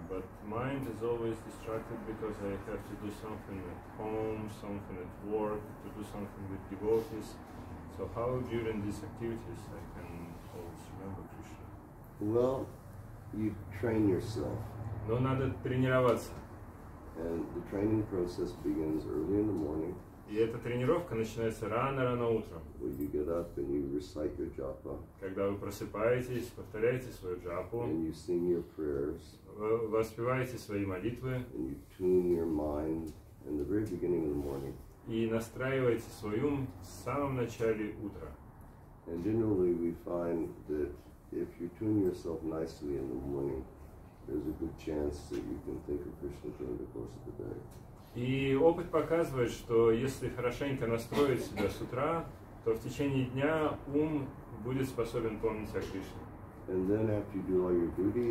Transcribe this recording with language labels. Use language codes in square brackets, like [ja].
[en] But mind is always distracted because I have to do something at home, something at work, to do something with devotees. So how during these activities I can always remember Krishna? Well, you train yourself. [ru] Но надо тренироваться. [en] And the training process begins early in the morning. [ru] И эта тренировка начинается рано-рано утром. [en] When you get up and you recite your japa, [ru] когда вы просыпаетесь, повторяете свою джапу, [en] and you sing your prayers, [ru] вы воспеваете свои молитвы, [en] and you tune your mind in the very beginning of the morning, [ru] и настраиваете свой ум в самом начале утра. [en] And generally we find that if you tune yourself nicely in the morning, there's a good chance that you can think of Krishna during the course of the day. [ru] И опыт показывает, что если хорошенько настроить себя с утра, то в течение дня ум будет способен помнить о Кришне.